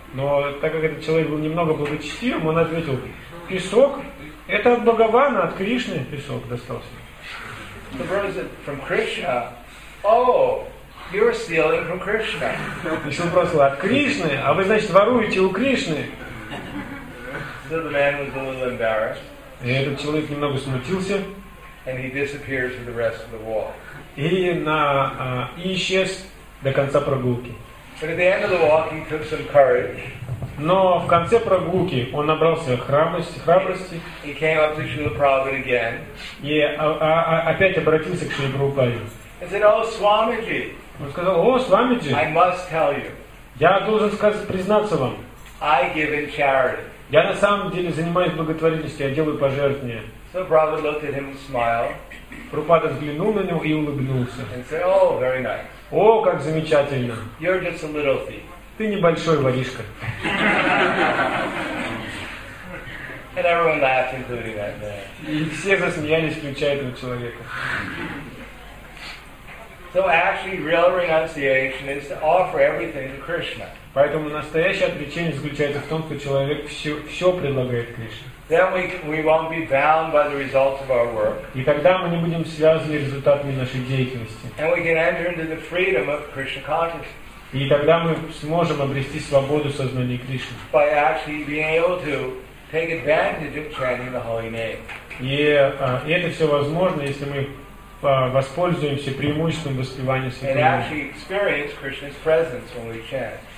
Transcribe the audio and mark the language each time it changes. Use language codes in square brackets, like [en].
[ru] Но так как этот человек был немного благочестивым, он ответил, песок, это от Бхагавана, от Кришны песок достался. [en] The Prabhupada said, from Krishna? Oh, you're stealing from Krishna. [ru] И он спросил, от Кришны? А вы, значит, воруете у Кришны? [en] So the man was a little embarrassed. [ru] И этот человек немного смутился. [en] And he disappears for the rest of the walk. [ru] И исчез до конца прогулки. [en] But at the end of the walk, he took some courage. [ru] Но в конце прогулки он набрался храбрости. [en] He came up to Srila Prabhupada again. [ru] И опять обратился к Шриле Прабхупаде. [en] He said, "Oh, Swamiji." [ru] Он сказал, "О, Свамиджи." [en] I must tell you. [ru] Я должен признаться вам. [en] I give in charity. [ru] Я на самом деле занимаюсь благотворительностью, я делаю пожертвования. [en] So Prabhupada looked at him and smiled. [ru] Прабхупада взглянул на него и улыбнулся. [en] And said, oh, very nice. [ru] О, как замечательно. [en] You're just a little thief. [ru] Ты небольшой воришка. [en] And everyone laughed, including that man. [ru] И все засмеялись, включая этого человека. [en] So actually, real renunciation is to offer everything to Krishna. [ru] Поэтому настоящее отречение заключается в том, что человек все предлагает Кришне. [en] Then we won't be bound by the results of our work. [ru] И тогда мы не будем связаны с результатами нашей деятельности. [en] And we can enter into the freedom of Krishna consciousness. [ru] И тогда мы сможем обрести свободу сознания Кришны. [en] By actually being able to take advantage of chanting the holy name. [ru] И это все возможно, если мы воспользуемся преимуществом воспевания святого [en] имени. And actually experience Krishna's presence when we chant.